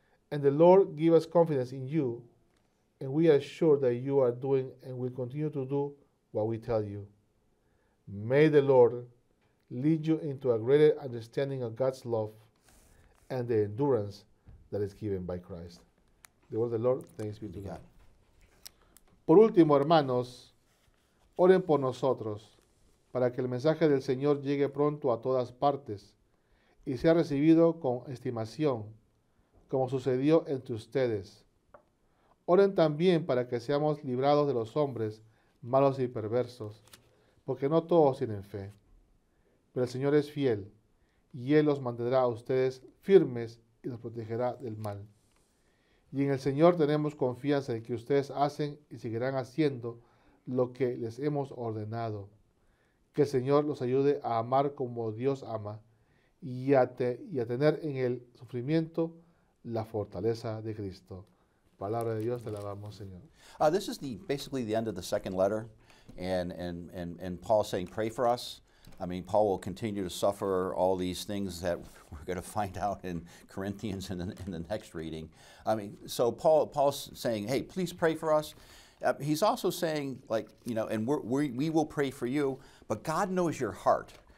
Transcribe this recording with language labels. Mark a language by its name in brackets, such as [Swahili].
[English] And the Lord give us confidence in you, and we are sure that you are doing and will continue to do what we tell you. May the Lord lead you into a greater understanding of God's love and the endurance that is given by Christ. The word of the Lord, thanks be to God. [Spanish] Por último, hermanos, oren por nosotros para que el mensaje del Señor llegue pronto a todas partes y sea recibido con estimación, como sucedió entre ustedes. Oren también para que seamos librados de los hombres malos y perversos, porque no todos tienen fe. Pero el Señor es fiel, y Él los mantendrá a ustedes firmes y los protegerá del mal. Y en el Señor tenemos confianza de que ustedes hacen y seguirán haciendo lo que les hemos ordenado. Que el Señor los ayude a amar como Dios ama, y a tener en el sufrimiento la fortaleza de Cristo. Palabra de Dios, te alabamos, Señor. [English] This is basically the end of the second letter, and Paul saying, pray for us. I mean, Paul will continue to suffer all these things that we're going to find out in Corinthians in the next reading. I mean, so Paul's saying, hey, please pray for us. He's also saying, like, you know, and we will pray for you, but God knows your heart.